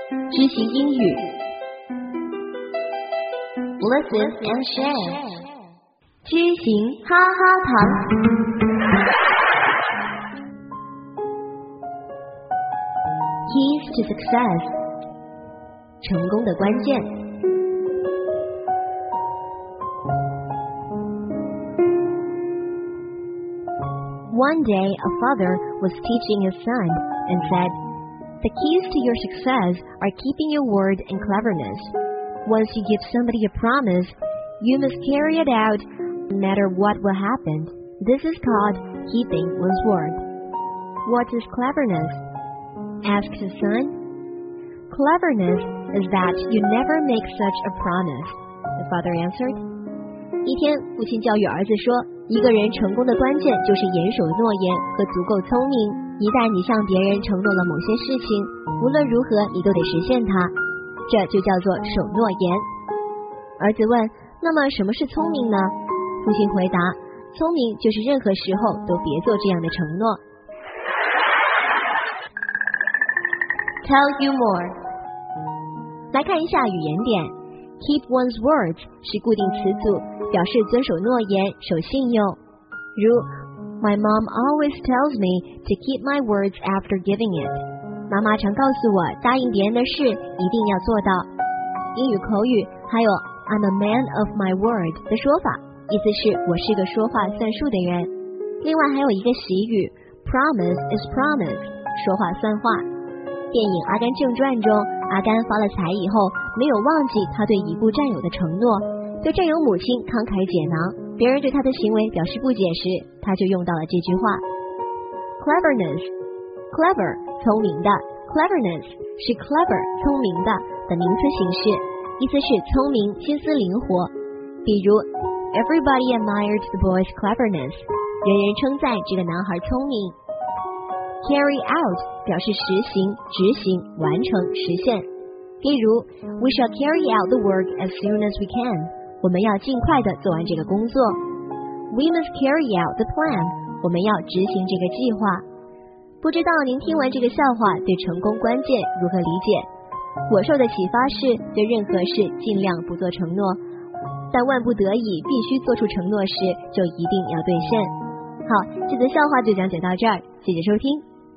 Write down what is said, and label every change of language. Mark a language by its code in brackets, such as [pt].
[zh] 知行英语 [en] Listen and share [zh] 知行哈哈谈。 [en] Keys to success [zh] 成功的关键。 [en] One day, a father was teaching his son and said, The keys to your success are keeping your word and cleverness. Once you give somebody a promise, you must carry it out no matter what will happen. This is called keeping one's word. What is cleverness? Asked his son. Cleverness is that you never make such a promise, the father answered. [zh] 一天，父亲教育儿子说，一个人成功的关键就是严守诺言和足够聪明。一旦你向别人承诺了某些事情，无论如何你都得实现它，这就叫做守诺言。儿子问，那么什么是聪明呢？父亲回答，聪明就是任何时候都别做这样的承诺。 [en] Tell you more， [zh] 来看一下语言点。 [en] Keep one's words [zh] 是固定词组，表示遵守诺言，守信用。 [en] 如My mom always tells me to keep my words after giving it. [zh] 妈妈常告诉我，答应别人的事一定要做到。英语口语还有 [en] I'm a man of my word [zh] 的说法，意思是我是个说话算数的人。另外还有一个习语 [en] Promise is promise， [zh] 说话算话。电影《阿甘正传》中，阿甘发了财以后，没有忘记他对已故战友的承诺，对战友母亲慷慨解囊，别人对他的行为表示不解时，他就用到了这句话。 Cleverness， clever 聪明的， cleverness 是 clever 聪明的的名词形式，意思是聪明，心思灵活。比如 [en] Everybody admired the boy's cleverness， [zh] 人人称赞这个男孩聪明。 [en] Carry out [zh] 表示实行，执行，完成，实现。 [en] 比如 We shall carry out the work as soon as we can， [zh] 我们要尽快地做完这个工作。 [en] We must carry out the plan， [zh] 我们要执行这个计划。不知道您听完这个笑话对成功关键如何理解？我受的启发是对任何事尽量不做承诺，但万不得已必须做出承诺时就一定要兑现。好，这则笑话就讲解到这儿，谢谢收听。